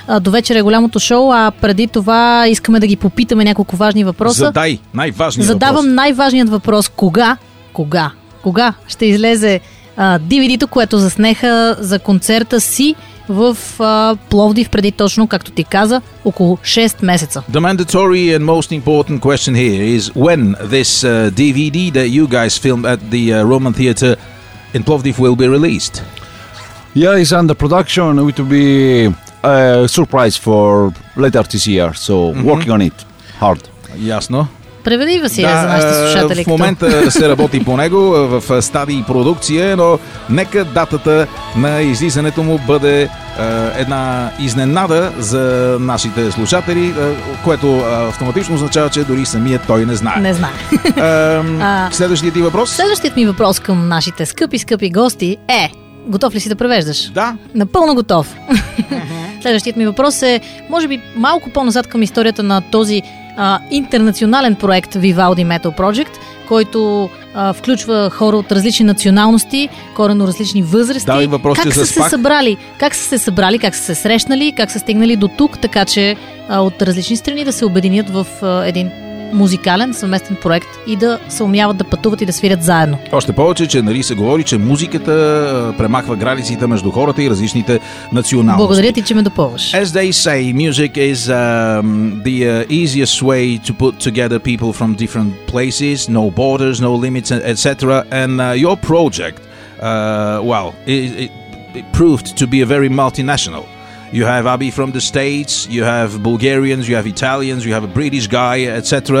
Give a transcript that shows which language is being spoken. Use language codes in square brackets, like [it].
[bg] До вечера е голямото шоу, а преди това искаме да ги попитаме няколко важни въпроса. Задавам най-важният въпрос. Кога ще излезе DVD-то, което заснеха за концерта си в Пловдив преди точно, както ти каза, около 6 месеца. [en] The mandatory and most important question here is when this DVD that you guys filmed at the Roman Theater in Plovdiv will be released? Yeah, it's under production. It will be a surprise for later this year. So, working on it hard. [bg] Ясно. Преведи Василия, да, за нашите слушатели. В момента се работи по него в стадии продукция, но нека датата на излизането му бъде една изненада за нашите слушатели, което автоматично означава, че дори самият той не знае. Не знае. Следващият ти въпрос? Следващият ми въпрос към нашите скъпи гости е: готов ли си да превеждаш? Да. Напълно готов. Следващият ми въпрос е, може би малко по-назад към историята на този интернационален проект Vivaldi Metal Project, който включва хора от различни националности, коренно различни възрасти. Дали въпрос, как са се събрали? Как са се събрали, как са се срещнали, как са стигнали до тук, така че от различни страни да се обединят в един музикален съвместен проект и да се умяват да пътуват и да свирят заедно. Още повече, че нали се говори, че музиката премахва границите между хората и различните националности. Благодаря ти, че ме допълваш. [en] As they say, music is the easiest way to put together people from different places, no borders, no limits, etc. And your project, well, it proved to be a very multinational. You have Abby from the States, you have Bulgarians, you have Italians, you have a British guy, etc.